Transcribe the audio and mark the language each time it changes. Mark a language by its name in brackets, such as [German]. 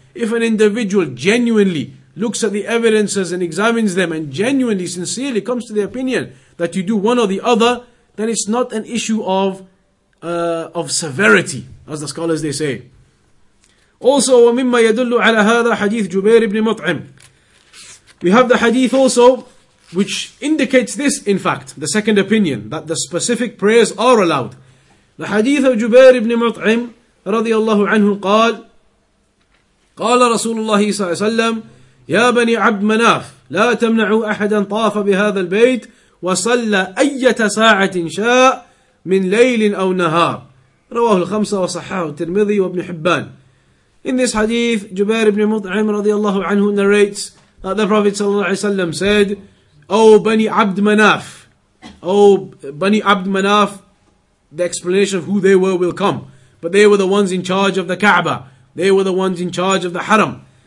[English] If an individual genuinely looks at the evidences and examines them, and genuinely, sincerely comes to the opinion that you do one or the other, then it's not an issue of severity, as the scholars they say. Also, [Arabic] وَمِمَّا يَدُلُّ عَلَى هَذَا حَدِيثُ جُبَيْرِ بْنِ مُطْعِمْ. [English] We have the hadith also, which indicates this, in fact, the second opinion, that the specific prayers are allowed. The hadith of Jubair ibn Mut'im, [Arabic] رضي الله عنه, قال رسول الله صلى الله عليه وسلم, يا بني عبد مناف, لا تمنعوا أحدا طاف بهذا البيت, وصلى أي ساعة شاء من ليل أو نهار. رواه الخمسة وصححه الترمذي وابن حبان. [English] In this hadith, Jubair ibn Mut'im radiallahu anhu narrates that the Prophet said, O Bani Abd Manaf, the explanation of who they were will come. But they were the ones in charge of the Kaaba. They were the ones in charge of the Haram.